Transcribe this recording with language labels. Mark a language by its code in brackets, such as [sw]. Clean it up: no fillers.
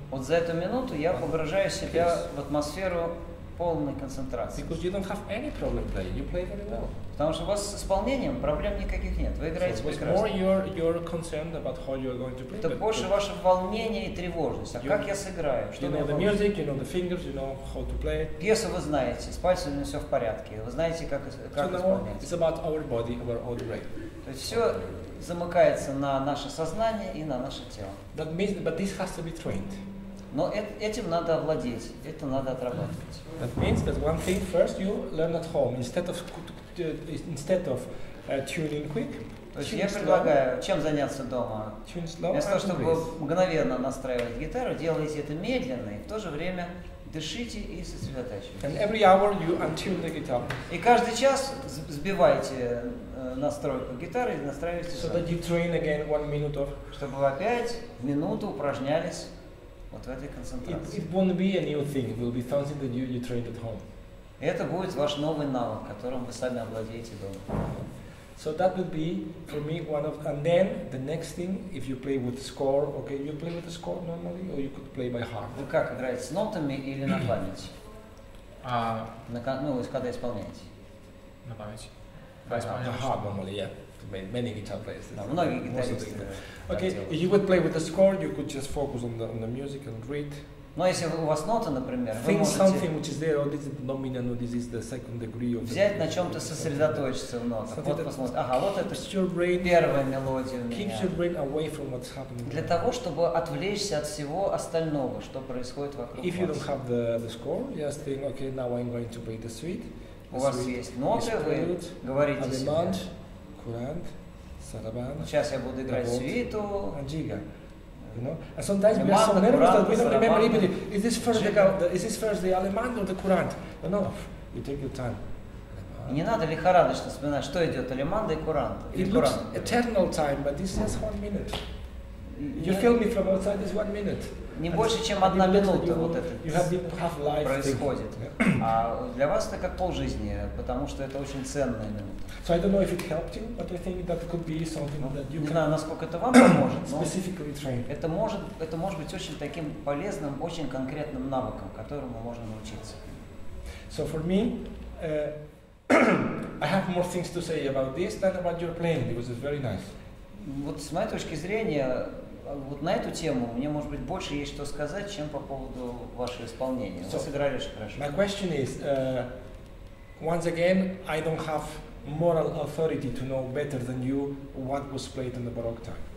[ru] Вот за эту минуту я погружаю себя в атмосферу полной концентрации. [en] Because you don't have any problem playing, you play very well. [ru] Потому что у вас с исполнением проблем никаких нет, вы играете прекрасно. [en] More your concern about how you are going to play. [ru] Это больше ваше волнение и тревожность. А как я сыграю? [en] You know the music, you know the fingers, you know how to play. [ru] Если вы знаете, с пальцами все в порядке, вы знаете, как исполнять. [en] It's about our body, our own brain. [ru] То есть все замыкается на наше сознание и на наше тело. [en] That means, but this has to be trained. [ru] Но этим надо овладеть, это надо отрабатывать. [en] That means that one thing first you learn at home instead of tuning quick. [ru] То есть я предлагаю, чем заняться дома? [en] Tune slow. [ru] Вместо того, чтобы мгновенно настраивать гитару, делайте это медленно и в то же время дышите и сосредотачивайтесь. [en] And every hour you untune the guitar. [ru] И каждый час сбивайте настройку гитары и настраивайте. [en] So that you train again 1 minute of. [ru] Чтобы вы опять в минуту упражнялись вот в этой концентрации. [en] It won't be a new thing. It will be something that you trained at home. [ru] И это будет ваш новый навык, которым вы сами обладаете дома. [en] So that would be for me one of, and then the next thing, if you play with score, okay, you play with the score normally, or you could play by heart. [ru] Вы как играете, с нотами или на память? Ну, когда исполняете? На память. На [en] heart normally, yeah. Many guitar players. [ru] Многие гитаристы. [en] Okay, if you would play with the score, you could just focus on the music and read. [ru] Но если у вас нота, например, [en] think [ru] вы можете [en] something which is there, or this is the nominal, or this is the second degree of [ru] взять на чем-то сосредоточиться в нотах. Вот посмотрите. Ага, вот это первая мелодия у меня. [en] Keeps your brain away from what's happening. [ru] Для того, чтобы отвлечься от всего остального, что происходит вокруг вас. [en] If you don't have the score, just think, okay, now I'm going to play the suite. The [ru] у вас suite есть ноты, вы говорите [en] Allemand, Courant, Saraband. [ru] Сейчас я буду играть свиту. [en] Gigue. You know? And sometimes we are so nervous that we don't remember even is this first the Allemand or the Courant? No, you take your time. [ru] Не надо лихорадочно вспоминать, что идет Allemand и Courant. [en] It looks eternal time, but this is 1 minute. You feel me from outside, this 1 minute. [ru] Не больше, чем одна минута вот это происходит. А для вас это как полжизни, потому что это очень ценная минута. [en] So I don't know if it helped you, but I think that could be something that you can. [ru] Не знаю, насколько это вам поможет, но [en] specifically trained. [ru] Это может быть очень таким полезным, очень конкретным навыком, которому можно научиться. [en] So for me, I have more things to say about this than about your playing, because it's very nice. [ru] Вот с моей точки зрения, вот на эту тему мне, может быть, больше есть что сказать, чем по поводу вашего исполнения. [en] So, [ru] вы сыграли очень хорошо. [en] My question is, once again, I don't have moral authority to know better than you what was played in the Baroque time.